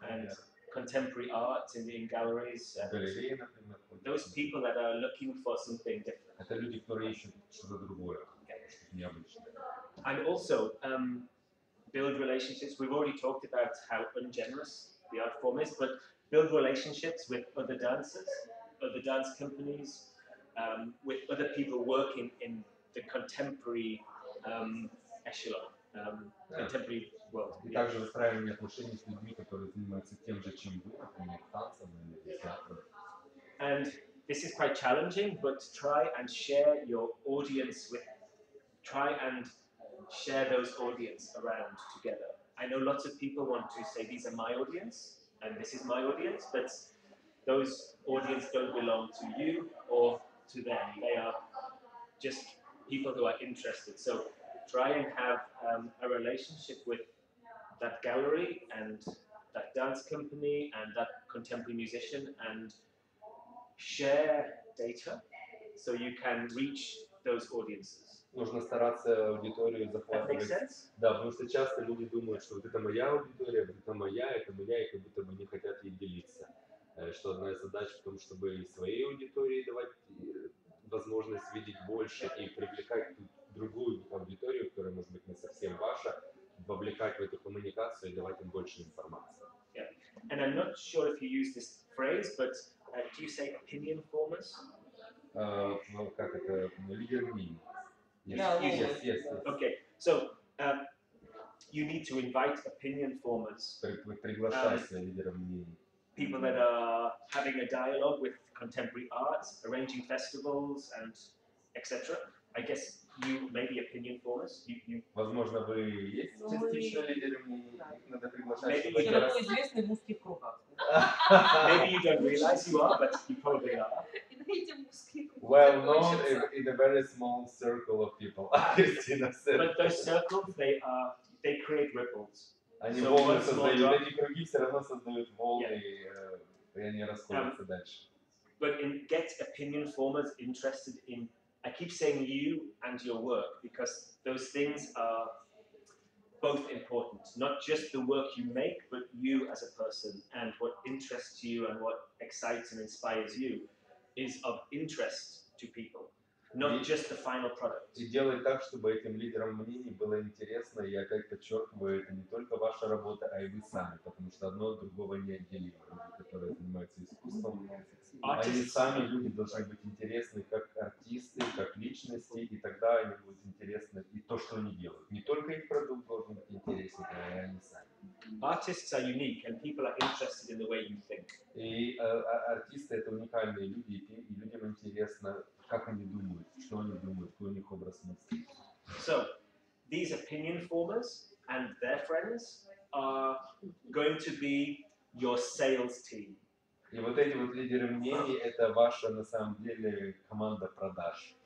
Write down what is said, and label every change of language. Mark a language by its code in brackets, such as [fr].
[en] and contemporary art in galleries. Those people that are looking for something different. [ru] Это люди, которые ищут что-то другое, что-то необычное. [en] And also build relationships. We've already talked about how ungenerous the art form is, but build relationships with other dancers. Other dance companies, with other people working in the contemporary echelon, contemporary world. [ru] И также выстраивание отношений с людьми, которые занимаются тем же, чем вы, например, танцем или театром. [en] And this is quite challenging, but try and share your audience with, try and share those audience around together. I know lots of people want to say these are my audience and this is my audience, but those audience don't belong to you or to them. They are just people who are interested. So try and have a relationship with that gallery and that dance company and that contemporary musician and share data so you can reach those audiences. [ru] Нужно стараться аудиторию захватывать. Да, потому что часто люди думают, что вот это моя аудитория, вот это моя, и как будто бы не хотят ей делиться. Что одна из задач в том, чтобы своей аудитории давать возможность видеть больше и привлекать другую аудиторию, которая, может быть, не совсем ваша, вовлекать в эту коммуникацию и давать им больше информации. [en] Yeah. And I'm not sure if you use this phrase, but do you say opinion formers? [ru] Ну, как это? Лидер мнений. [en] Yes. Okay, so you need to invite opinion formers. [ru] Приглашайся лидером мнений. [en] People that are having a dialogue with contemporary arts, arranging festivals and etc. I guess you may be opinion formers. You [ru] возможно, вы есть частично лидерами. Надо приглашать. Я такой известный в узких кругах. [en] Maybe you don't realize you are, but you probably are. Well known in a very small circle of people. But those circles, they create ripples. [ru] Они so волны создают, эти круги все равно создают волны, yeah. И они расходятся дальше. [en] But in, get opinion formers interested in, I keep saying you and your work, because those things are both important. Not just the work you make, but you as a person, and what interests you and what excites and inspires you is of interest to people. not just the final product. [ru] И делать так, чтобы этим лидерам мнений было интересно, и я опять подчеркиваю, это не только ваша работа, а и вы сами, потому что одно от другого не отделимо. Люди, которые занимаются искусством, они сами люди должны быть интересны как артисты, как личности, и тогда они будут интересны и то, что они делают. Не только их продукт должен быть интересен, а и они сами. [en] Artists are unique, and people are interested in the way you think. [ru] И артисты — это уникальные люди, и людям интересно, как они думают, что они думают, какой у них образ мысли. [en] So, these opinion formers and their friends are going to be your sales team. [ru] И вот эти вот лидеры мнений — это ваша, на самом деле, команда продаж.